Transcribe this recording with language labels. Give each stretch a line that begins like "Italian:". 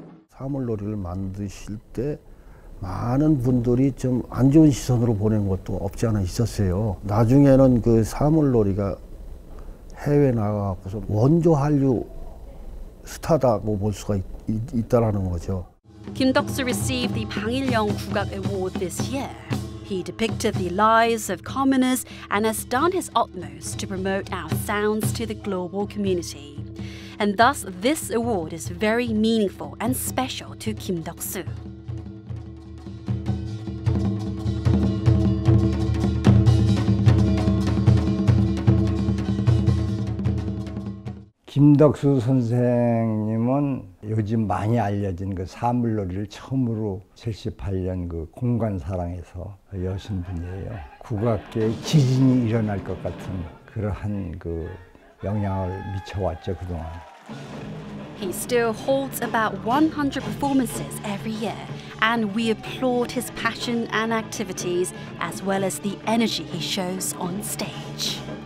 Korean: '사물놀이'를 만드실 때 많은 분들이 좀 안 좋은 시선으로 보낸 것도 없지 않아 있었어요. 나중에는 그 사물놀이가 해외 나가서 원조 한류 스타다고 볼 수가 있다라는 거죠.
English: Kim Deok-soo received the Bang Il-young Gugak Award this year. He depicted the lives of commoners and has done his utmost to promote our sounds to the global community. And thus, this award is very meaningful and special to Kim Deok-soo.
Korean: Kim Deok-soo 선생님은 요즘 많이 알려진 그 사물놀이를 처음으로 78년 그 공간사랑에서 여신 분이에요. 국악계에 지진이 일어날 것 같은 그러한 그 영향을 미쳐왔죠, 그동안.
English: He still holds about 100 performances every year, and we applaud his passion and activities, as well as the energy he shows on stage.